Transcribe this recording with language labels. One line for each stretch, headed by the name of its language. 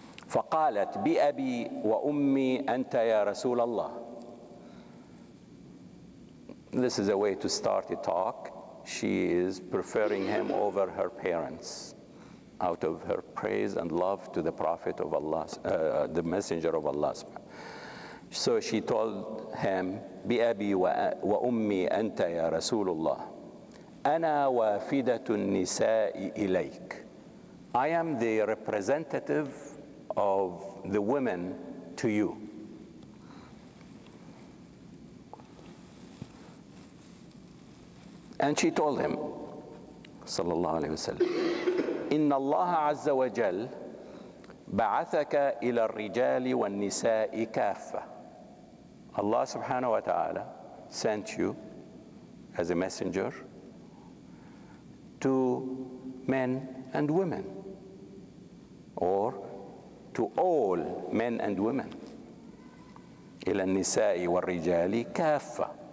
Arabic: فقالت بأبي وأمي أنت يا رسول الله.
English: This is a way to start a talk. She is preferring him over her parents, out of her praise and love to the Prophet of Allah, the Messenger of Allah. So she told him,
Arabic: بأبي وأمي أنت يا رسول الله. أنا وافدة النساء إليك.
English: I am the representative of the women to you. And she told him,
Arabic: صلى الله عليه وسلم, إن الله عز وجل بعثك إلى الرجال والنساء كافة.
English: Allah subhanahu wa ta'ala sent you as a messenger to men and women, or to all men and women.
Arabic: إلى النساء والرجال كافة.